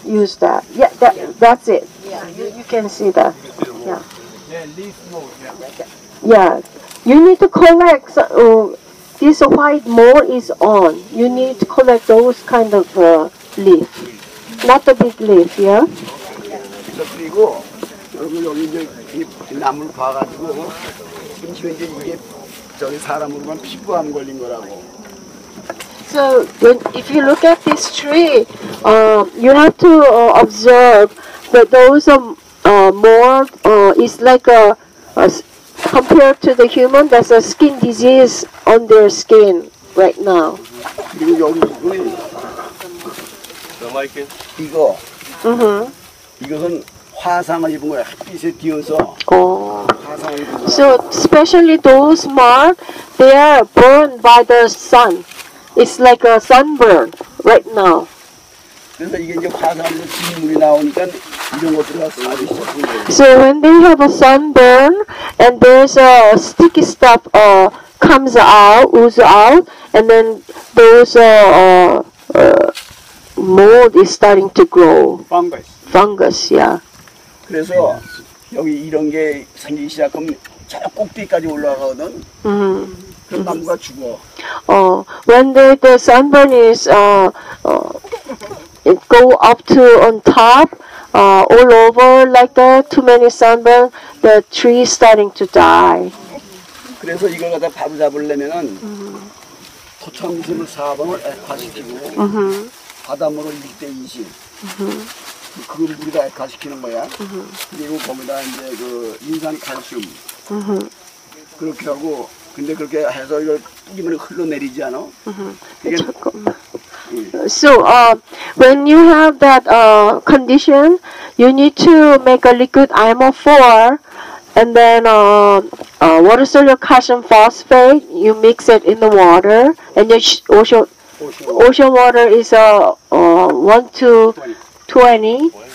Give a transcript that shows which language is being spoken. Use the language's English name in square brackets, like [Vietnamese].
[English] Use that. That's it. You can see that. Leaf mold. You need to collect. This white mold is on. You need to collect those kind of leaf. Not the big leaf. Yeah. [Korean] 그리고 여러분 여기 이제 이 나무를 봐가지고 지금 이제 이게 저기 사람으로만 피부암 걸린 거라고. [English] So when if you look at this tree, you have to observe that those mold is like a compared to the human, that's a skin disease on their skin right now. [Korean] 그리고 여기 이거. [English] The lichen. [Korean] 이거. 이것은 화상을 입은 거야. 빛에 띄어서 화상을 입은 거야. [English] So especially those mark, they are burned by the sun. It's like a sunburn right now. [Korean] 그래서 이게 이제 화상으로 진물이 나오니까 이런 것들이 나서 아주 싫은 거예요. [English] So when they have a sunburn and there's a sticky stuff comes out, ooze out, and then those mold is starting to grow. Fungus, yeah. [Korean] 그래서 여기 이런 게 생기기 시작하면 저 꼭대기까지 올라가거든. 그럼 나무가 죽어. [English] When the sunburn is it go up to on top, all over like that, too many sunburn, the tree is starting to die. [Korean] 그래서 이걸 갖다 바로 잡으려면은 토창수를 4번을 과시키고 바닷물을 1대 20. 그걸 우리가 액화시키는 거야. 그리고 거기다 이제 그 인산 칼슘. 그렇게 하고, 근데 그렇게 해서 이걸 뿌리면 흘러내리지 않아? 이게 잠깐만. [English] So, when you have that condition, you need to make a liquid iron 4 and then water soluble calcium phosphate. You mix it in the water and you ocean water is 1 to 20.